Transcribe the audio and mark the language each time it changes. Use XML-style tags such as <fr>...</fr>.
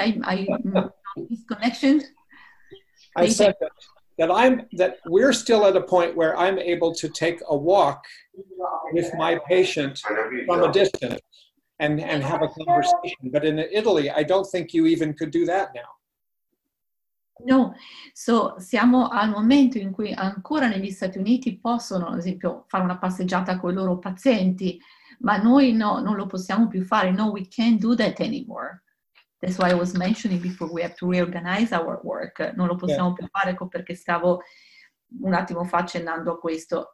<en>I disconnection. That we're still at a point where I'm able to take a walk with my patient from a distance and have a conversation. But in Italy, I don't think you even could do that now. No.</en> <it>So siamo al momento in cui ancora negli Stati Uniti possono, ad esempio, fare una passeggiata con i loro pazienti, ma noi no, non lo possiamo più fare.</it> <en>No, we can't do that anymore. That's why I was mentioning before we have to reorganize our work.</en> <it>Non lo possiamo più fare, ecco perché stavo un attimo fa accennando a questo.</it>